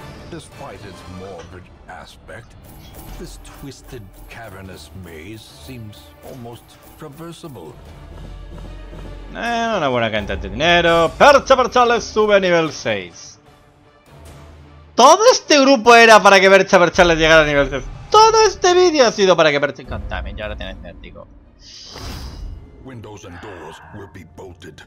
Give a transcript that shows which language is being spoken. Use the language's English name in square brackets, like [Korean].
[English] Despite its morbid aspect, this twisted, cavernous maze seems almost traversable. [Spanish] Una buena cantidad de dinero. Perchales sube a nivel 6. Todo este grupo era para que Perchales llegara a nivel 6. Todo este vídeo ha sido para que Perchales. También, ya ahora tienes vértigo. [English] Windows and doors will be bolted.